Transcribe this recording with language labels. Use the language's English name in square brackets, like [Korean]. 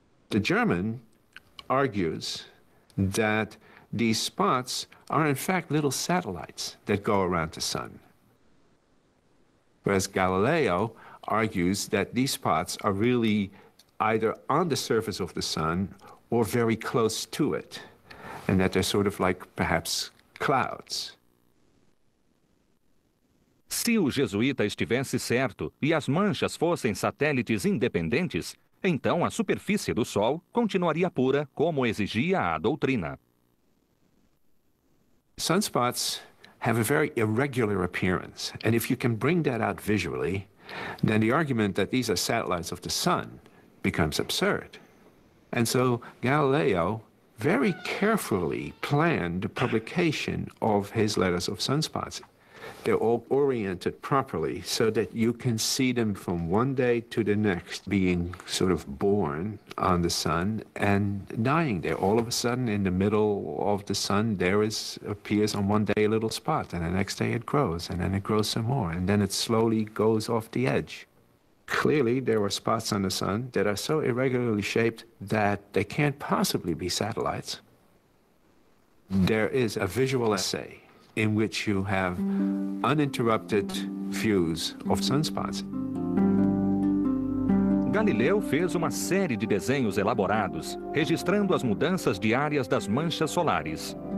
[English] The German argues that these spots are in fact little satellites that go around the sun. Whereas Galileo argues that these spots are really either on the surface of the sun or very close to it, and that they're sort of like perhaps clouds. [Portuguese] Se o jesuíta estivesse certo e as manchas fossem satélites independentes, então a superfície do Sol continuaria pura, como exigia a doutrina. [English] Sunspots have a very irregular appearance, and if you can bring that out visually, then the argument that these are satellites of the sun becomes absurd. And so Galileo very carefully planned the publication of his Letters of Sunspots. They're all oriented properly so that you can see them from one day to the next being sort of born on the sun and dying there. All of a sudden in the middle of the sun, there is appears on one day a little spot, and the next day it grows, and then it grows some more, and then it slowly goes off the edge. Clearly, there are spots on the sun that are so irregularly shaped that they can't possibly be satellites. There is a visual essay in which you have uninterrupted views of sunspots. [Portuguese] Galileu fez uma série de desenhos elaborados, registrando as mudanças diárias das manchas solares.